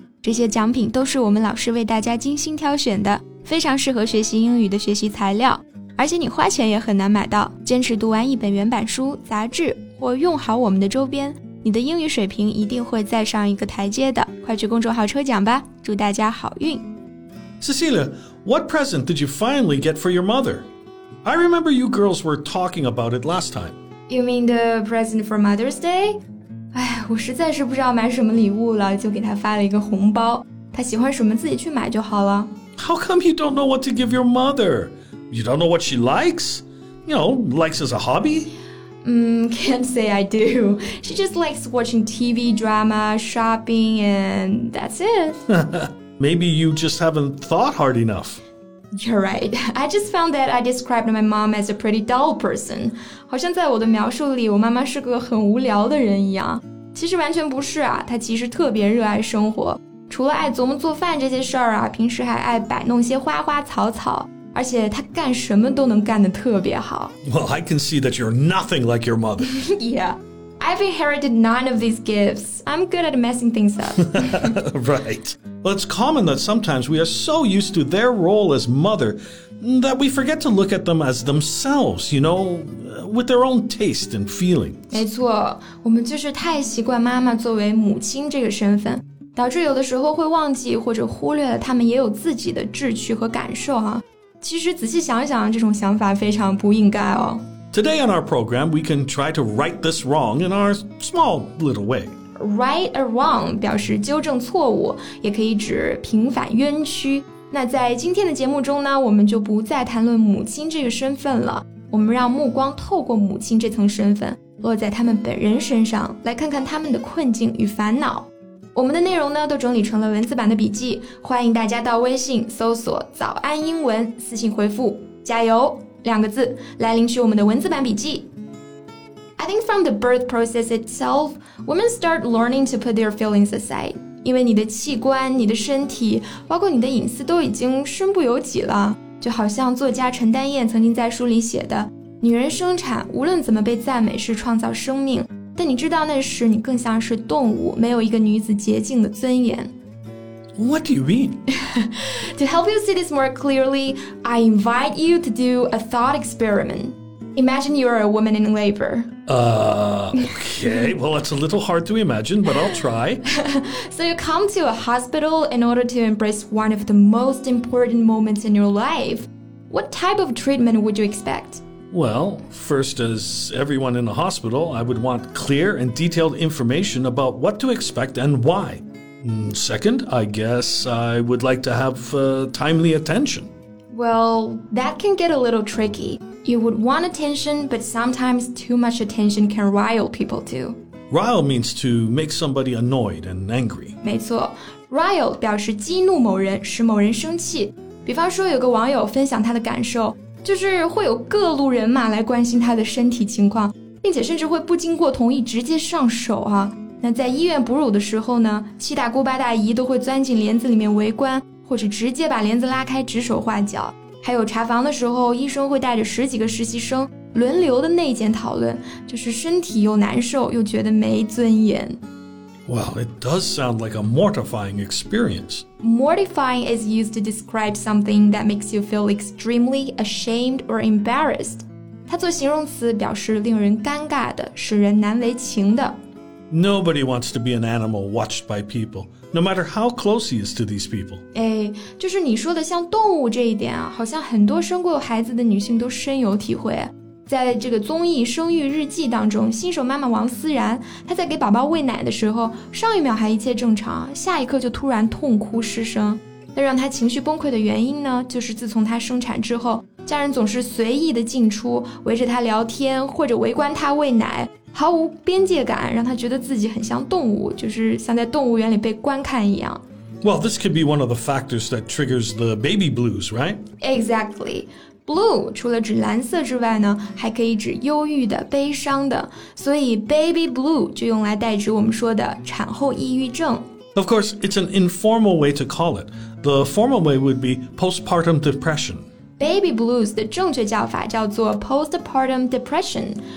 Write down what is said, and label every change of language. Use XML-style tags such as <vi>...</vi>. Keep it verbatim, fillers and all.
<zh>这些奖品都是我们老师为大家精心挑选的，非常适合学习英语的学习材料。而且你花钱也很难买到，坚持读完一本原版书、杂志，或用好我们的周边，你的英语水平一定会再上一个台阶的。快去公众号抽奖吧，祝大家好运。</zh> <en>Cecilia, what present did you finally get for your mother? I remember you girls were talking about it last time. You mean the present for Mother's Day?</en> <zh>哎，我实在是不知道买什么礼物了，就给她发了一个红包。她喜欢什么自己去买就好了。</zh> <en>How come you don't know what to give your mother? You don't know what she likes? You know, likes as a hobby? Mm, can't say I do. She just likes watching T V, drama, shopping, and that's it. Maybe you just haven't thought hard enough. You're right. I just found that I described my mom as a pretty dull person.</en> <zh>好像在我的描述里，我妈妈是个很无聊的人一样。其实完全不是啊，她其实特别热爱生活。除了爱琢磨做饭这些事儿啊，平时还爱摆弄些花花草草。而且他干什么都能干得特别好。</zh> <en>Well, I can see that you're nothing like your mother. Yeah, I've inherited none of these gifts. I'm good at messing things up. Right. Well, it's common that sometimes we are so used to their role as mother that we forget to look at them as themselves, you know, with their own taste and feelings.</en> <zh>没错，我们就是太习惯妈妈作为母亲这个身份，导致有的时候会忘记或者忽略了他们也有自己的志趣和感受啊。其实仔细想想，这种想法非常不应该哦。 Today on our program, we can try to right this wrong in our small little way.</zh> <en>Right or wrong</en> <zh>表示纠正错误，也可以指平反冤屈。那在今天的节目中呢，我们就不再谈论母亲这个身份了，我们让目光透过母亲这层身份，落在他们本人身上，来看看他们的困境与烦恼。我们的内容呢都整理成了文字版的笔记，欢迎大家到微信搜索早安英文，私信回复加油两个字来领取我们的文字版笔记。</zh> <en>I think from the birth process itself, women start learning to put their feelings aside.</en> <zh>因为你的器官、你的身体，包括你的隐私都已经身不由己了。就好像作家陈丹燕曾经在书里写的，女人生产无论怎么被赞美是创造生命，但你知道那时你更像是动物，没有一个女子洁净的尊严。</zh> <en>What do you mean? To help you see this more clearly, I invite you to do a thought experiment. Imagine you are a woman in labor. Uh, okay, well, it's a little hard to imagine, but I'll try. So you come to a hospital in order to embrace one of the most important moments in your life. What type of treatment would you expect? Well, first, as everyone in the hospital, I would want clear and detailed information about what to expect and why. Second, I guess I would like to have uh, timely attention. Well, that can get a little tricky. You would want attention, but sometimes too much attention can rile people too. Rile means to make somebody annoyed and angry.</en> <zh>没错 rile 表示激怒某人，使某人生气。比方说，有个网友分享他的感受。就是会有各路人马来关心他的身体情况，并且甚至会不经过同意直接上手啊。那在医院哺乳的时候呢，七大姑八大姨都会钻进帘子里面围观，或者直接把帘子拉开指手画脚。还有查房的时候，医生会带着十几个实习生轮流的内检讨论，就是身体又难受又觉得没尊严。</zh> <en>Well, it does sound like a mortifying experience. Mortifying is used to describe something that makes you feel extremely ashamed or embarrassed.</en> <zh>它做形容词表示令人尴尬的，使人难为情的。</zh> <en>Nobody wants to be an animal watched by people, no matter how close he is to these people.</en> <zh>哎，就是你说的像动物这一点啊，好像很多生过孩子的女性都深有体会。在这个综艺《生育日记》当中，新手妈妈王思然，她在给宝宝喂奶的时候，上一秒还一切正常，下一刻就突然痛哭失声。那让她情绪崩溃的原因呢，就是自从她生产之后，家人总是随意的进出，围着她聊天，或者围观她喂奶，毫无边界感，让她觉得自己很像动物，就是像在动物园里被观看一样。</zh> <en>Well, this could be one of the factors that triggers the baby blues, right? Exactly.</en> <zh>Blue 除了指蓝色之外呢，还可以指忧郁的、悲伤的，所以 baby blue 就用来代指我们说的产后抑郁症。</zh> <en>Of course, it's an informal way to call it. The formal way would be postpartum depression.</en> <zh>Baby blues 的正确叫法叫做 postpartum depression.</zh>